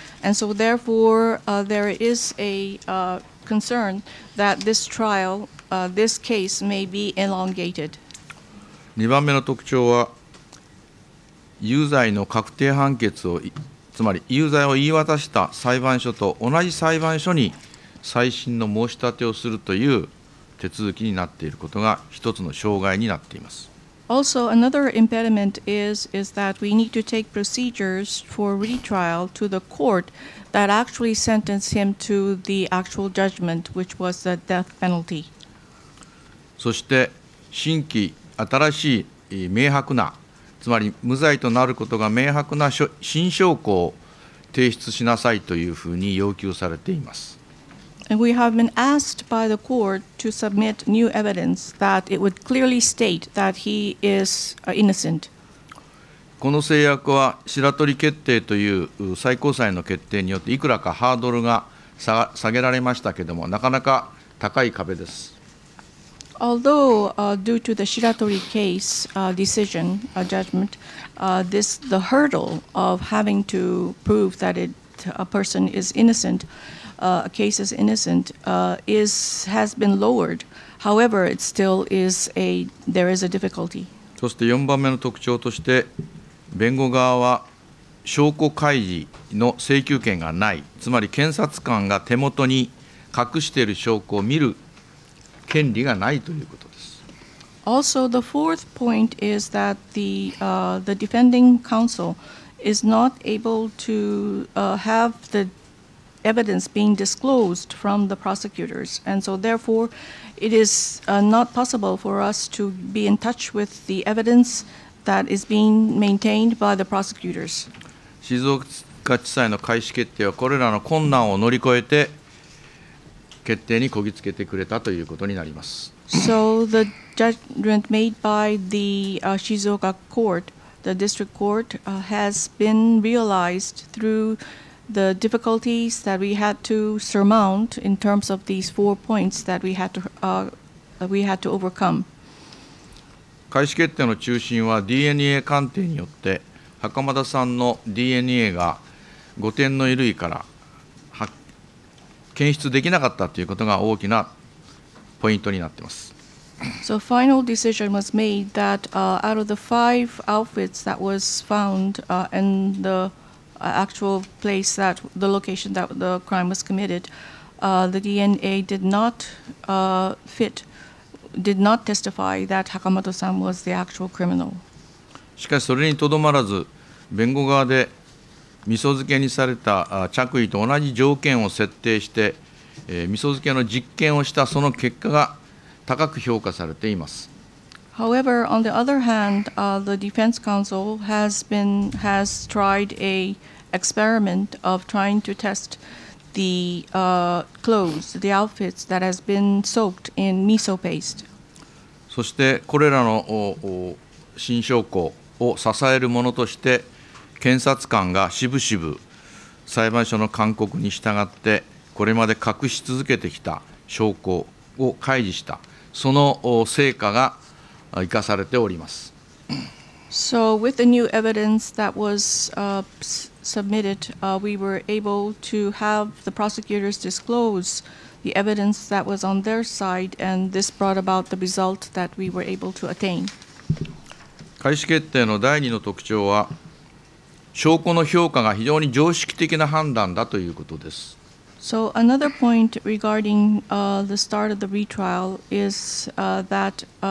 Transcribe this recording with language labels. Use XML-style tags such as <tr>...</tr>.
<en>And so therefore, there is a concern that this trial, this case may be elongated.</en> <ja>2番目の特徴は、有罪の確定判決を、つまり有罪を言い渡した裁判所と同じ裁判所に再審の申し立てをするという手続きになっていることが一つの障害になっています。</ja> <en>Also, another impediment is that we need to take procedures for retrial to the court that actually sentenced him to the actual judgment, which was the death penalty.</en> <ja>そして、新規、新しい、明白な、つまり無罪となることが明白な新証拠を提出しなさいというふうに要求されています。</ja> <en>And we have been asked by the court to submit new evidence that it would clearly state that he is innocent.</en> <ja>この制約は白鳥決定という最高裁の決定によっていくらかハードルが下げられましたけれども、なかなか高い壁です。</ja> <en>Although, due to the Shiratori case, decision, judgment, this, the hurdle of having to prove that it, a person is innocent, a case is innocent, is, has been lowered. However, it still is a, there is a difficulty.</en> <ja>そして4番目の特徴として、弁護側は証拠開示の請求権がない。つまり検察官が手元に隠している証拠を見る権利がないということです。</ja> <en>Also, the fourth point is that the, the defending counsel is not able to, have the evidence being disclosed from the prosecutors. And so therefore, it is, not possible for us to be in touch with the evidence that is being maintained by the prosecutors.</en> <ja>静岡地裁の開始決定はこれらの困難を乗り越えて決定にこぎつけてくれたということになります。</ja> <en>So the judgment made by the, Shizuoka court, the district court, has been realized through the difficulties that we had to surmount in terms of these four points that we had to, overcome.</en> <ja>開始決定の中心は DNA 鑑定によって袴田さんの DNA が5点の衣類から検出できなかったということが大きなポイントになっています。</ja> <en>So final decision was made that, out of the five outfits that was found, in the actual place that the location that the crime was committed, the DNA did not, fit, did not testify that Hakamoto-san was the actual criminal.</en> <ja>しかしそれにとどまらず、弁護側で味噌漬けにされた着衣と同じ条件を設定して、味噌漬けの実験をしたその結果が高く評価されています。</ja> <en>However, on the other hand, the defense counsel has been, has tried a experiment of trying to test the, clothes, the outfits that has been soaked in miso paste.</en> <ja>そしてこれらの新証拠を支えるものとして検察官がしぶしぶ裁判所の勧告に従ってこれまで隠し続けてきた証拠を開示したその成果が生かされております。</ja> <en>So with the new evidence that was, submitted, we were able to have the prosecutors disclose the evidence that was on their side and this brought about the result that we were able to attain.</en> <ja>開始決定の第二の特徴は証拠の評価が非常に常識的な判断だということです。</ja> <en>So another point regarding, the start of the retrial is, that,</en>